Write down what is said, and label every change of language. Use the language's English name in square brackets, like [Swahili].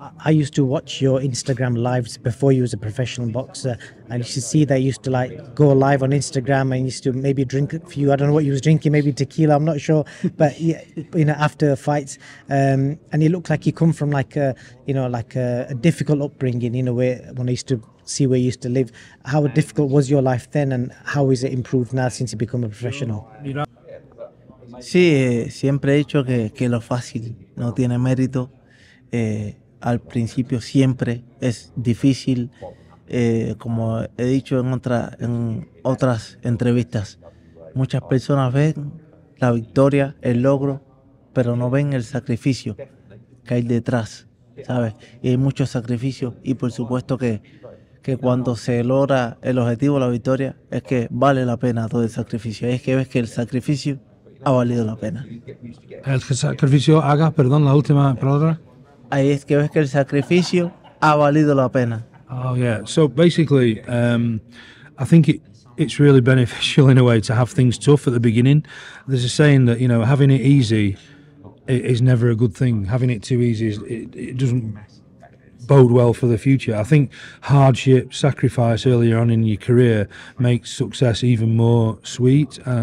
[English] I used to watch your Instagram lives before you was a professional boxer, and you should see that you used to like go live on Instagram and used to maybe drink a few, I don't know what you was drinking, maybe tequila, I'm not sure, but you know, after fights, and it looked like you come from like a difficult upbringing in a way. When I used to see where you used to live, how difficult was your life then, and how is it improved now since you become a professional? [Spanish] Sí, siempre he dicho que lo fácil no tiene mérito. Al principio siempre es difícil, como he dicho en otras entrevistas, muchas personas ven la victoria, el logro, pero no ven el sacrificio que hay detrás, ¿sabes? Y hay muchos sacrificios, y por supuesto que cuando se logra el objetivo, la victoria, es que vale la pena todo el sacrificio. Es que ves que el sacrificio ha valido la pena. El sacrificio, la última palabra. Ahí es que ves que el sacrificio ha valido la pena. [English] Oh, yeah. So, basically, I think it's really beneficial in a way to have things tough at the beginning. There's a saying that, you know, having it easy is never a good thing. Having it too easy, it doesn't bode well for the future. I think hardship, sacrifice earlier on in your career makes success even more sweet.